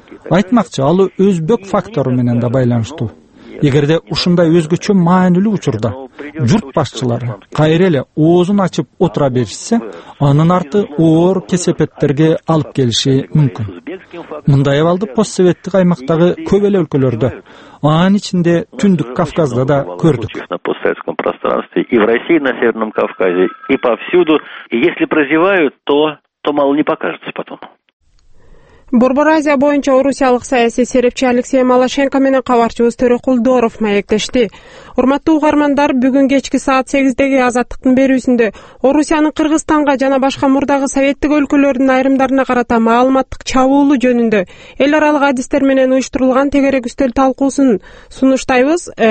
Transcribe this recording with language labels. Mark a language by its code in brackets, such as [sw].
[ky] Айтмакчы, ал өзбек фактору менен да байланыштуу. Эгерде ушундай өзгөчө маанилүү учурда журт башчылары кайра эле оозун ачып отура беришсе, анын арты оор кесепеттерге алып келиши мүмкүн. Мындай абалды постсоветтик аймактагы көп эле өлкөлөрдө, анын ичинде түндүк Кавказда да көрдүк. [ru] И в России, на Северном Кавказе, и повсюду. И если прозевают, то мало не покажется потом. [ky] Борбор Азия боюнча орусиялык саясий серепчи Алексей Малашенко менен кабарчыбыз Төрөкулдоров маектешти. Урматтуу угармандар, бүгүн кечки саат 8:00 азаттыктын берүүсүндө Орусиянын Кыргызстанга жана башка мурдагы советтик өлкөлөрдүн айрымдарына карата маалыматтык чабуулу жөнүндө эл аралык адистер менен уюштурулган тегерек үстөл талкуусун сунуштайбыз.